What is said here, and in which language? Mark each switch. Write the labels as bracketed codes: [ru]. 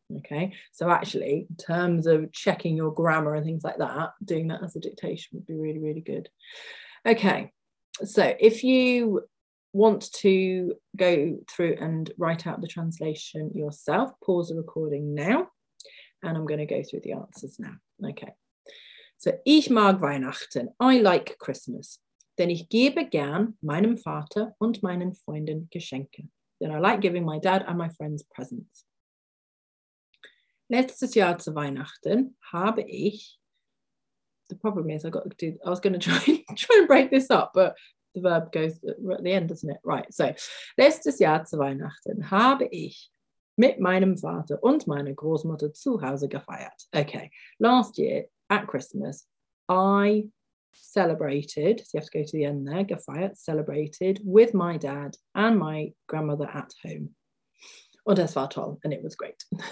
[en] Okay, so actually, in terms of checking your grammar and things like that, doing that as a dictation would be really, really good. Okay, so if you want to go through and write out the translation yourself, pause the recording now, and I'm going to go through the answers now. Okay, so [de] ich mag Weihnachten, [en] I like Christmas. [de] Denn ich gebe gern meinem Vater und meinen Freunden Geschenke. [en] Then I like giving my dad and my friends presents. [de] Letztes Jahr zu Weihnachten habe ich. [en] The problem is, I was going to try and break this up, but the verb goes at the end, doesn't it? Right. [de] So, letztes Jahr zu Weihnachten habe ich mit meinem Vater und meiner Großmutter zu Hause gefeiert. [en] Okay. Last year at Christmas, I celebrated. So you have to go to the end there. Gefeiert, celebrated with my dad and my grandmother at home. [de] Und es war toll, [en] and it was great.